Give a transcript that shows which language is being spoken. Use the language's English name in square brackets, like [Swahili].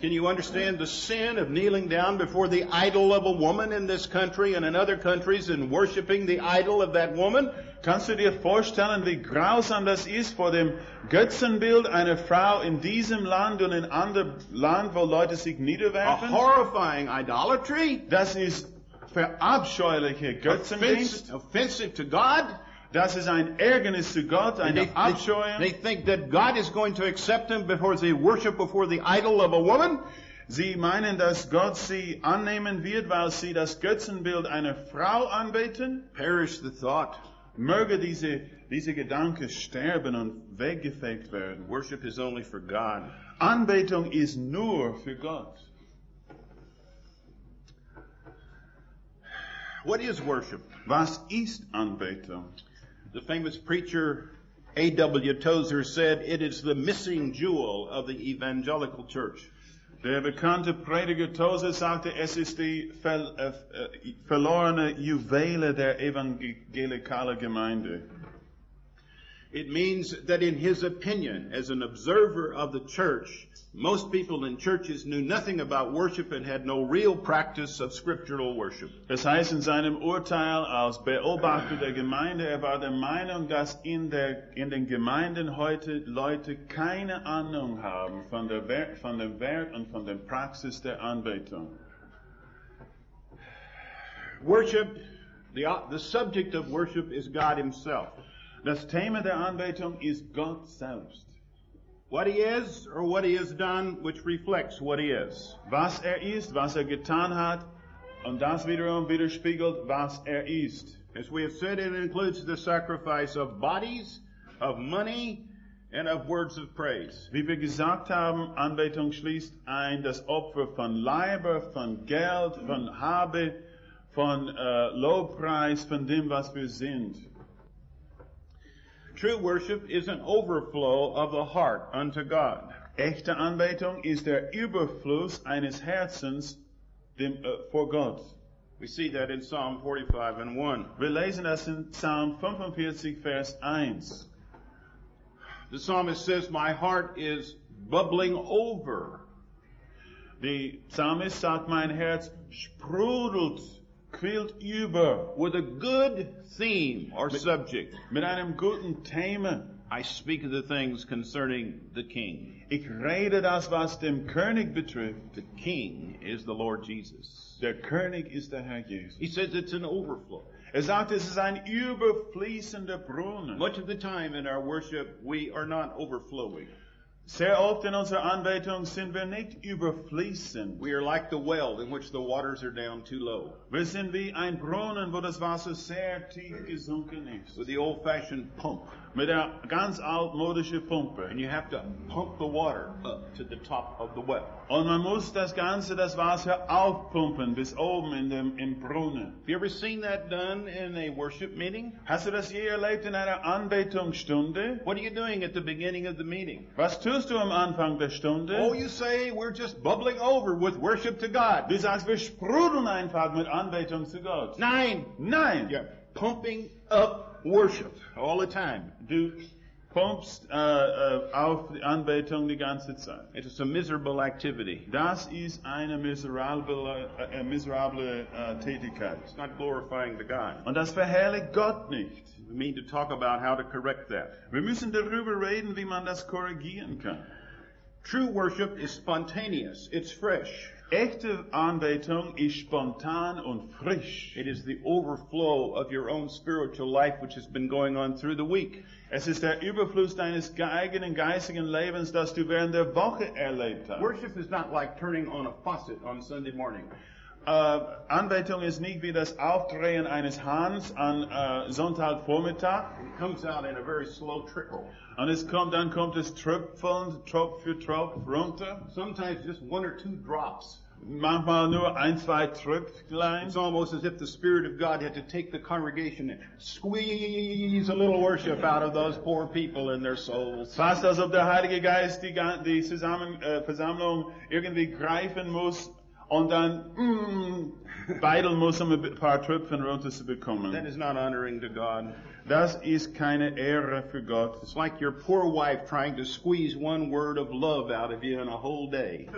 [English] Can you understand the sin of kneeling down before the idol of a woman in this country and in other countries and worshiping the idol of that woman? [German] Kannst du dir vorstellen, wie grausam das ist vor dem Götzenbild einer Frau in diesem Land und in anderen Land, wo Leute sich niederwerfen? [English] A horrifying idolatry. [German] Das ist verabscheuliche Götzendienst. [English] Offensive to God. [German] Das ist ein Ärgernis zu Gott, eine Abscheuung. [English] They think that God is going to accept them before they worship before the idol of a woman. [German] Sie meinen, dass Gott sie annehmen wird, weil sie das Götzenbild einer Frau anbeten? [English] Perish the thought. [German] Möge diese Gedanken sterben und weggefegt werden. [English] Worship is only for God. [German] Anbetung ist nur für Gott. [English] What is worship? [German] Was ist Anbetung? [English] The famous preacher A.W. Tozer said, it is the missing jewel of the evangelical church. [German] Der bekannte Prediger Tozer sagte, es ist die verlorene Juwele der evangelikalen Gemeinde. [English] It means that in his opinion, as an observer of the church, most people in churches knew nothing about worship and had no real practice of scriptural worship. [German] Das heißt, in seinem Urteil als Beobachter der Gemeinde, er war der Meinung, dass in den Gemeinden heute Leute keine Ahnung haben von dem Wert und von der Praxis der Anbetung. [English] Worship, the subject of worship is God himself. [German] Das Thema der Anbetung ist Gott selbst. [English] What he is, or what he has done, which reflects what he is. [German] Was ist, was getan hat, und das wiederum widerspiegelt, was ist. [English] As we have said, it includes the sacrifice of bodies, of money, and of words of praise. [German] Wie wir gesagt haben, Anbetung schließt ein das Opfer von Leiber, von Geld, von Habe, von Lobpreis, von dem, was wir sind. [English] True worship is an overflow of the heart unto God. [German] Echte Anbetung ist der Überfluss eines Herzens vor Gott. [English] We see that in Psalm 45 and 1. [German] Wir lesen das in Psalm 45, Vers 1. [English] The psalmist says, my heart is bubbling over. [German] Der Psalmist sagt, mein Herz sprudelt, quillt über. [English] With a good theme or subject. [German] Mit einem guten Thema. [English] I speak of the things concerning the King. [German] Ich rede das, was dem König betrifft. [English] The King is the Lord Jesus. [German] Der König ist der Herr Jesus. [English] He says it's an overflow. [German] Er sagt, es ist ein überfließender Brunnen. [English] Much of the time in our worship, we are not overflowing. [German] Sehr oft in unserer Anbetung sind wir nicht überfließend. [English] We are like the well in which the waters are down too low. [German] Wir sind wie ein Brunnen, wo das Wasser sehr tief gesunken ist. [English] With the old-fashioned pump. [German] Mit der ganz altmodische Pumpe. [English] And you have to pump the water up to the top of the well. [German] Und man muss das ganze das Wasser aufpumpen bis oben in dem im Brunnen. [English] Have you ever seen that done in a worship meeting? [German] Hast du das je erlebt in einer Anbetungsstunde? [English] What are you doing at the beginning of the meeting? [German] Was tust du am Anfang der Stunde? [English] Oh, you say we're just bubbling over with worship to God. [German] Du sagst, wir sprudeln einfach mit Anbetung zu Gott. Nein. [English] Yeah. Pumping up worship all the time. [German] Du pumpst auf die Anbetung die ganze Zeit. [English] It is a miserable activity. [German] Das ist eine miserable Tätigkeit. [English] It's not glorifying the God. [German] Und das verherrlicht Gott nicht. [English] We need to talk about how to correct that. [German] Wir müssen darüber reden, wie man das korrigieren kann. [English] True worship is spontaneous. It's fresh. [German] Echte Anbetung ist spontan und frisch. [English] It is the overflow of your own spiritual life which has been going on through the week. [German] Es ist der Überfluss deines eigenen geistigen Lebens, das du während der Woche erlebt hast. [English] Worship is not like turning on a faucet on Sunday morning. [German] Anbetung ist nicht wie das Aufdrehen eines Hahns an Sonntagvormittag. [English] It comes out in a very slow trickle. [German] Und es kommt, dann kommt es Tropf für Tropf runter. [English] Sometimes just one or two drops. [German] Manchmal nur ein, zwei Tröpflein. [English] It's almost as if the Spirit of God had to take the congregation and squeeze a little worship out of those poor people in their souls. [German] Fast als ob der Heilige Geist die Versammlung irgendwie greifen muss. Und dann beideln muss um ein paar Tröpfchen runter zu bekommen. [English] That is not honoring to God. [German] Das ist keine Ehre für Gott. [English] It's like your poor wife trying to squeeze one word of love out of you in a whole day.